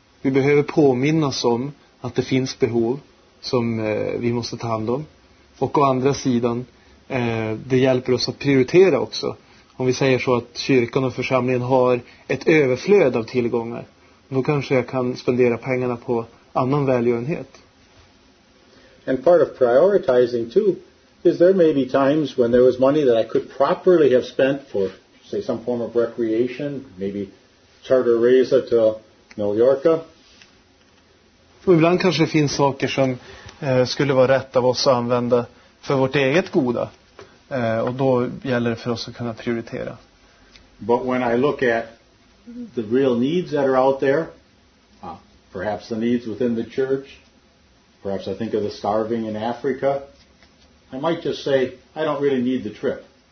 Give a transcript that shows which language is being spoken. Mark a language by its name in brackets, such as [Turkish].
[Swedish] Vi behöver påminnas om att det finns behov som vi måste ta hand om. Och å andra sidan, det hjälper oss att prioritera också. Om vi säger så att kyrkan och församlingen har ett överflöd av tillgångar, då kanske jag kan spendera pengarna på annan välgörenhet. [English] And part of prioritizing too is there may be times when there was money that I could properly have spent for say some form of recreation, maybe [Swedish] charter resa [English] to Mallorca. [Swedish] Och ibland kanske det finns saker som skulle vara rätt av oss att använda för vårt eget goda. Och då gäller det för oss att kunna prioritera. [English] But when I look at the real needs that are out there, perhaps the needs within the church, perhaps I think of the starving in Africa, I might just say, I don't really need the trip.